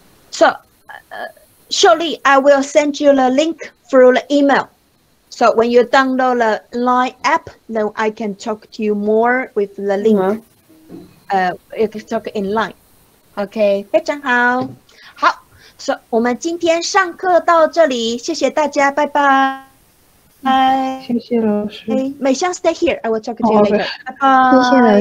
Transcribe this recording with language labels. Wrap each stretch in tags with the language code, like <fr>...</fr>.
<en>So, Shirley, I will send you the link through the email. So when you download the LINE app, then I can talk to you more with the link. Mm-hmm. you can talk in line. Okay,</en> <zh>非常好。好，所以我们今天上课到这里，谢谢大家，拜拜。谢谢老师。</zh> <en>美香 stay here, I will talk to you later.</en> <zh>拜拜。</zh>